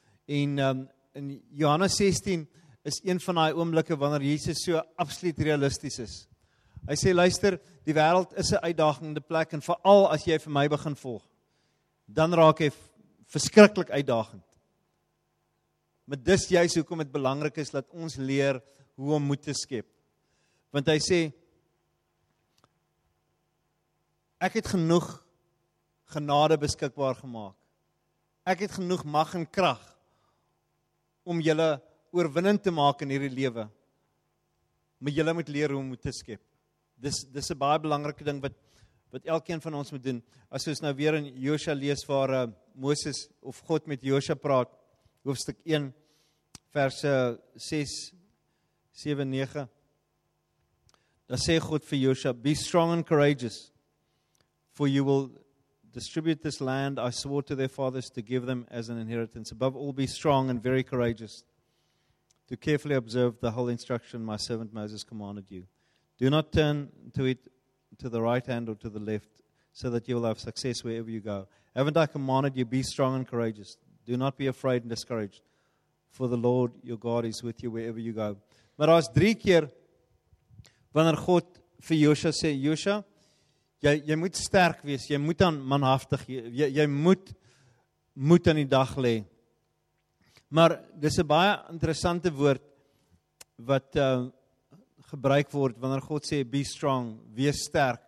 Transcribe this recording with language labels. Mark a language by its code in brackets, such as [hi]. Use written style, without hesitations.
[af] En in Johannes 16 is een van daai oomblikke wanneer Jesus so absoluut realisties is. Hy sê, luister, die wêreld is 'n uitdagende plek, en veral as jy vir my begin volg, dan raak hy verskriklik uitdagend. Maar dis juist hoekom dit belangrik is dat ons leer hoe om moed te skep. Want hy sê, ek het genoeg genade beskikbaar gemaak. Ek het genoeg mag en krag om julle oorwinning te maak in hierdie lewe. Maar julle moet leer hoe om te skep. Dis 'n baie belangrike ding wat elkeen van ons moet doen. As ons nou weer in Josua lees waar Moses of God met Josua praat, hoofstuk 1 verse 6-9. Daar sê God vir Josua, [en] be strong and courageous, for you will distribute this land I swore to their fathers to give them as an inheritance. Above all, be strong and very courageous to carefully observe the whole instruction my servant Moses commanded you. Do not turn to it to the right hand or to the left, so that you will have success wherever you go. Haven't I commanded you, be strong and courageous? Do not be afraid and discouraged, for the Lord your God is with you wherever you go. [af] Maar as drie keer wanneer God vir Josua sê, Josua, jy moet sterk wees, jy moet aan manhaftig, jy moet aan die dag lê. Maar dis 'n baie interessante woord wat gebruik word wanneer God sê [en] be strong, [af] wees sterk.